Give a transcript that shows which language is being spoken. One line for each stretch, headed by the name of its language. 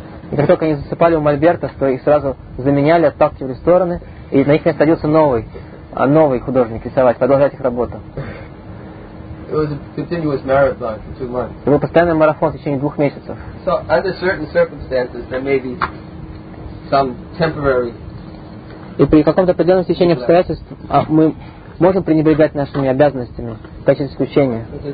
Russian: И как только они засыпали у мольберта, то их сразу заменяли, отталкивали в стороны, и на них место садился новый художник рисовать, продолжать их работу.
English: It was a continuous marathon for 2 months.
Russian: Это был постоянный марафон в течение 2 месяцев.
English: So under certain circumstances, there may be some temporary.
Russian: И при каком-то определенном стечении обстоятельств мы можем пренебрегать нашими обязанностями в качестве исключения.